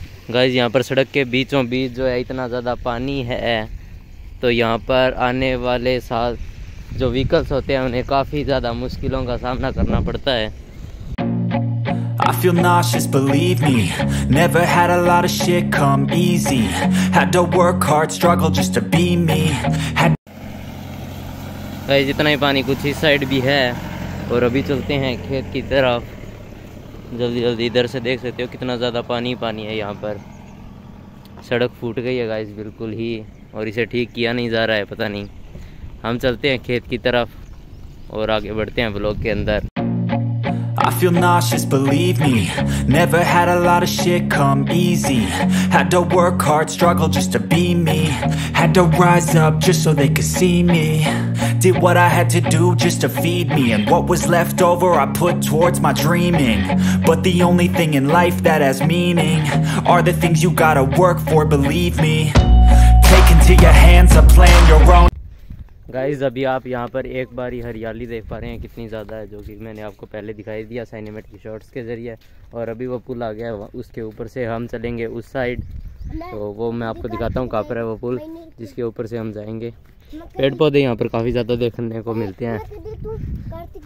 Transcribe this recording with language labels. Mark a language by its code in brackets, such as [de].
[hi] Guys यहाँ पर सड़क के बीचों बीच जो है इतना ज्यादा पानी है तो यहाँ पर आने वाले साथ जो व्हीकल्स होते हैं उन्हें काफी ज्यादा मुश्किलों का सामना करना पड़ता है। [en] I feel nauseous, believe me. Never had a lot of shit come easy. Had to work hard, struggle just to be me. [hi] Guys इतना ही पानी कुछ इस साइड भी है और अभी चलते हैं खेत की तरफ। जल्दी जल्दी इधर से देख सकते हो कितना ज़्यादा पानी है यहाँ पर। सड़क फूट गई है गाइस बिल्कुल ही और इसे ठीक किया नहीं जा रहा है पता नहीं। हम चलते हैं खेत की तरफ और आगे बढ़ते हैं ब्लॉग के अंदर। [en] I feel nauseous, believe me. Never had a lot of shit come easy. Had to work hard, struggle just to be me. Had to rise up just so they could see me. Did what I had to do just to feed me. And what was left over I put towards my dreaming. But the only thing in life that has meaning are the things you gotta work for, believe me. Take into your hands a plan your own. [hi] Guys अभी आप यहाँ पर एक बार ही हरियाली देख पा रहे हैं कितनी ज़्यादा है, जो कि मैंने आपको पहले दिखाई दिया साइनेमेटिक शॉर्ट्स के जरिए। और अभी वो पुल आ गया है उसके ऊपर से हम चलेंगे उस साइड, तो वो मैं आपको दिखाता हूँ कहाँ पर है वो पुल जिसके ऊपर से हम जाएंगे। पेड़ पौधे यहाँ पर काफ़ी ज़्यादा देखने को मिलते हैं।